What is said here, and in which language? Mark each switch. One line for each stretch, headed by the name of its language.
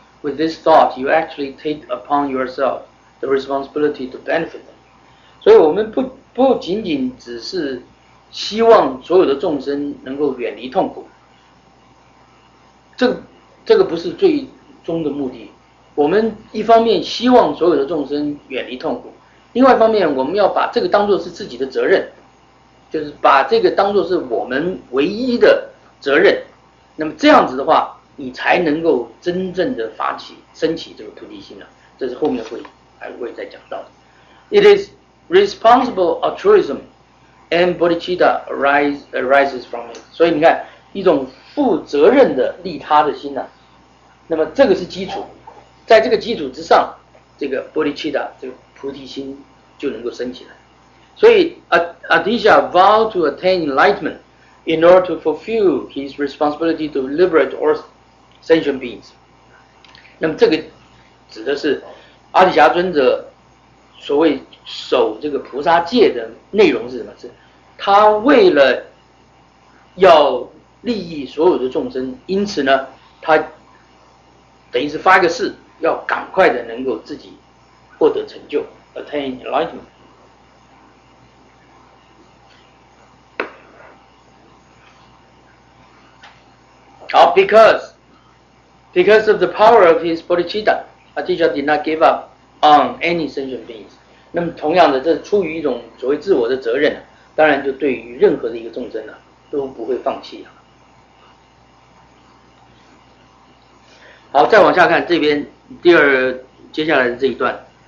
English: With this thought, you actually take upon yourself the responsibility to benefit them.
Chinese: 所以我们不仅仅只是希望所有的众生能够远离痛苦，这个不是最终的目的。我们一方面希望所有的众生远离痛苦，另外一方面我们要把这个当作是自己的责任。就是把这个当作是我们唯一的责任，那么这样子的话，你才能够真正的发起升起这个菩提心了、啊。这是后面还会再讲到的。
English: It is responsible altruism, and bodhicitta arises from it.
Chinese: 所以你看，一种负责任的利他的心呢、啊，那么这个是基础，在这个基础之上，这个 bodhicitta 这个菩提心就能够升起来。所以
English: Adisha vowed to attain enlightenment in order to fulfill his responsibility to liberate all sentient beings.
Chinese: 那么这个指的是阿底峡尊者所谓守这个菩萨戒的内容是什么？是他为了要利益所有的众生，因此呢，他等于是发个誓，要赶快的能够自己获得成就 ，
English: attain enlightenment。
Chinese: 好
English: ，because Because of the power of his bodhicitta, Bodhicitta did not give up on any sentient beings.
Chinese: 那么同样的，这是出于一种所谓自我的责任，当然就对于任何的一个众生呢、啊，都不会放弃、啊、好，再往下看这边第二接下来的这一段。